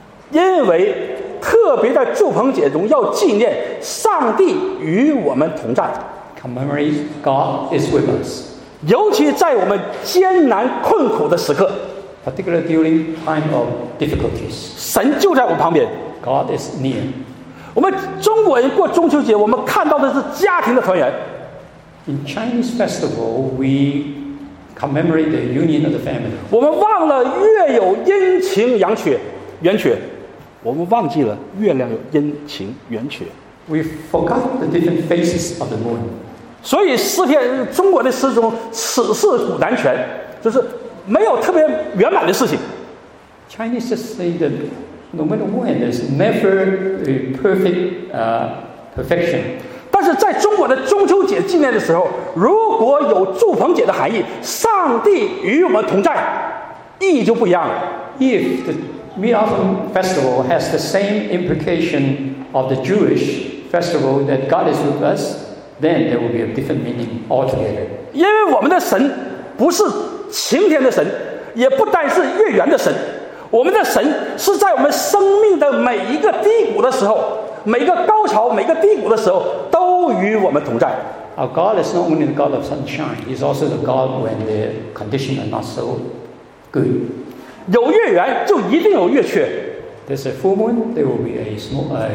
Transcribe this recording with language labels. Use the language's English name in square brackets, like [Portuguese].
[Chinese] 因为特别在祝棚节中要纪念上帝与我们同在 [English] Commemorate God is with us [Chinese] 尤其在我们艰难困苦的时刻 [English] Particularly during time of difficulties, [Chinese] 神就在我旁边。 [English] God is near. [Chinese] 我们中国人过中秋节，我们看到的是家庭的团圆。 [English] In Chinese festival, we commemorate the union of the family. [Chinese] 我们忘了月有阴晴阳缺，圆缺。我们忘记了月亮有阴晴圆缺。 [English] We forgot the different phases of the moon. [Chinese] 所以诗篇中国的诗中，此事古难全，就是。没有特别圆满的事情。 [English] Chinese say that no matter when, there's never a perfect perfection. [Chinese] 但是在中国的中秋节纪念的时候，如果有祝棚节的含义，上帝与我们同在，意义就不一样了。 [English] If the Mid-Autumn Festival has the same implication of the Jewish festival that God is with us, then there will be a different meaning altogether. [Chinese] 因为我们的神不是。晴天的神也不单是月圆的神我们的神是在我们生命的每一个低谷的时候每一个高潮每一个低谷的时候都与我们同在 [English] Our God is not only the God of sunshine He's also the God when the conditions are not so good [Chinese] 有月圆就一定有月缺 [English] There's a full moon There will be a small